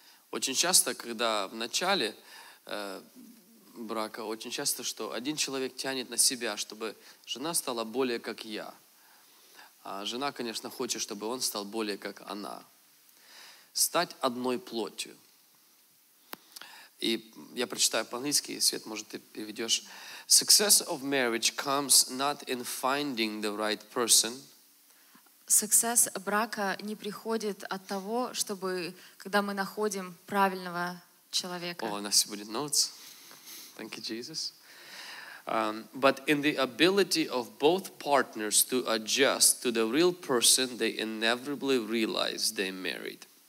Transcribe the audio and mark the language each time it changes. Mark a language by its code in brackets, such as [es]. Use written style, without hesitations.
[ru] Очень часто, когда в начале брака, очень часто, что один человек тянет на себя, чтобы жена стала более как я. А жена, конечно, хочет, чтобы он стал более как она. Стать одной плотью. И я прочитаю по-английски, Свет, может, ты переведешь. [en] Success of marriage comes not in finding the right person. [ru] Success брака не приходит от того, чтобы, когда мы находим правильного человека. О, у нас будет notes. [en] Thank you, Jesus. But in the ability of both partners to adjust to the real person they inevitably realize they married.